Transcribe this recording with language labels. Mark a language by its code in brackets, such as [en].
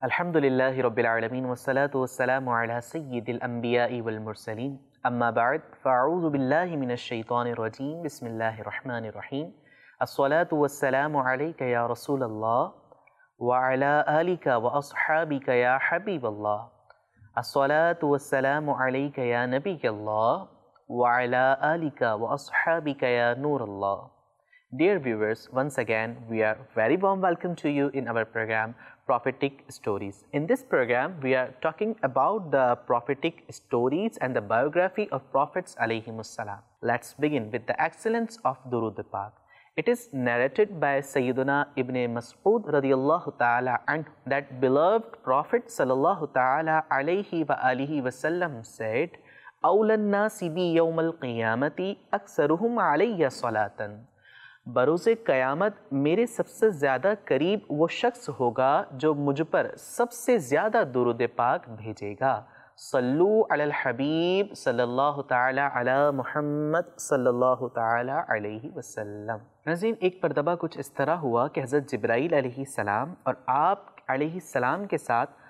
[ar] الحمد لله رب العالمين والصلاة والسلام على سيد الأنبياء والمرسلين أما بعد فأعوذ بالله من الشيطان الرجيم بسم الله الرحمن الرحيم الصلاة والسلام عليك يا رسول الله وعلى آلك وأصحابك يا حبيب الله الصلاة والسلام عليك يا نبي الله وعلى آلك وأصحابك يا نور الله [en] Dear viewers, once again, we are very warm welcome to you in our program, Prophetic Stories. In this program, we are talking about the prophetic stories and the biography of Prophets alayhimus salam. Let's begin with the excellence of Durood Pak. It is narrated by Sayyiduna Ibn Mas'ud radiyallahu ta'ala and that beloved Prophet sallallahu ta'ala alayhi wa alihi wa sallam said, [ar] أَوْلَ النَّاسِ بِي يَوْمَ الْقِيَامَةِ أَكْسَرُهُمْ عَلَيَّ صَلَاتًا [ur] بروزِ قیامت میرے سب سے زیادہ قریب وہ شخص ہوگا جو مجھ پر سب سے زیادہ درود پاک بھیجے گا صلو علی الحبیب صلی اللہ تعالی علی محمد صلی اللہ تعالی علیہ وسلم ناظرین ایک مرتبہ کچھ اس طرح ہوا کہ حضرت جبرائیل علیہ السلام اور آپ علیہ السلام کے ساتھ